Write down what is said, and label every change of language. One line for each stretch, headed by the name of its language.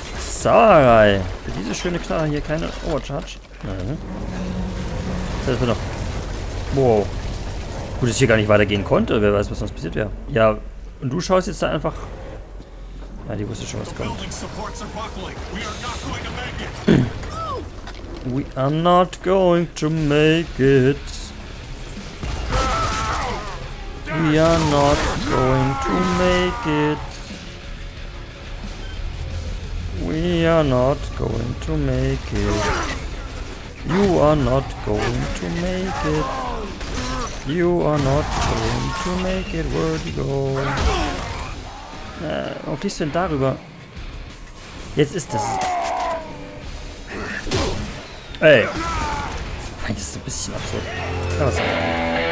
German: Sauerei. Für diese schöne Knarre hier keine Overcharge. Nein. Das wird noch. Wow. Gut, dass ich hier gar nicht weitergehen konnte. Wer weiß, was sonst passiert wäre. Ja, und du schaust jetzt da einfach. Ja, die wusste schon, was kommt.
English: We are not going to make it. We are not going to make it. We are not going to make it. You are not going to make it. You are not going to make it, Vertigo.
German: Warum fliegst du denn darüber? Jetzt ist es. Ey. Das ist ein bisschen absurd. Ja, was soll ich?